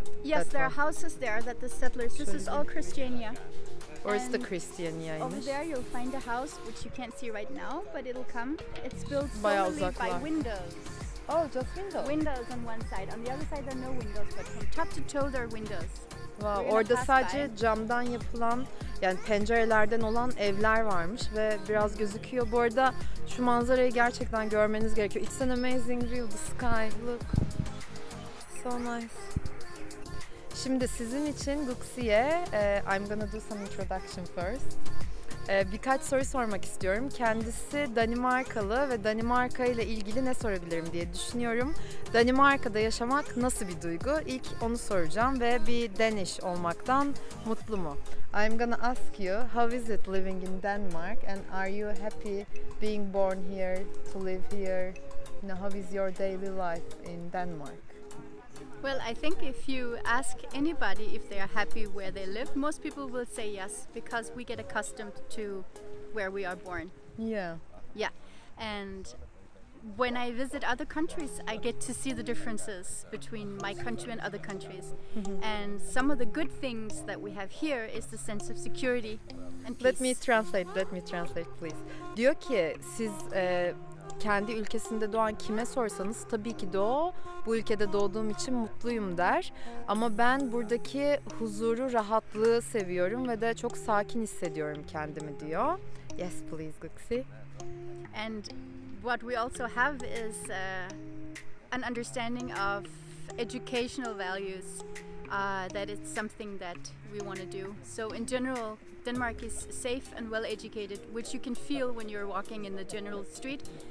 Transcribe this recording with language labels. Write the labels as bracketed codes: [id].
[en] Yes, there are houses there that the settlers. This is all Christiania. Or is the Christiania? Over there you'll find a house which you can't see right now, but it'll come. It's built solely by windows. Oh, just windows. Windows on one side. On the other side there are no windows, but from top to toe there are windows. [tr] Wow, orada sadece camdan yapılan, yani pencerelerden olan evler varmış ve biraz gözüküyor. Bu arada şu manzarayı gerçekten görmeniz gerekiyor. [en] It's an amazing view, the sky, look. So nice. [tr] Şimdi sizin için Guxi'ye, [en] I'm gonna do some introduction first. [tr] Birkaç soru sormak istiyorum. Kendisi Danimarkalı ve Danimarka ile ilgili ne sorabilirim diye düşünüyorum. Danimarka'da yaşamak nasıl bir duygu? İlk onu soracağım ve bir Danish olmaktan mutlu mu? [en] I'm gonna ask you, how is it living in Denmark and are you happy being born here, to live here? You know, how is your daily life in Denmark? Well, I think if you ask anybody if they are happy where they live, most people will say yes, because we get accustomed to where we are born. Yeah. Yeah. And when I visit other countries, I get to see the differences between my country and other countries. Mm-hmm. And some of the good things that we have here is the sense of security and peace. Let me translate, please. [tr] Diyor ki, siz kendi ülkesinde doğan kime sorsanız tabii ki de o bu ülkede doğduğum için mutluyum der. Ama ben buradaki huzuru, rahatlığı seviyorum ve de çok sakin hissediyorum kendimi diyor. [en] Yes please Guxi. And what we also have is an understanding of educational values, that it's something that we want to do. So in general Denmark is safe and well educated, which you can feel when you're walking in the general street.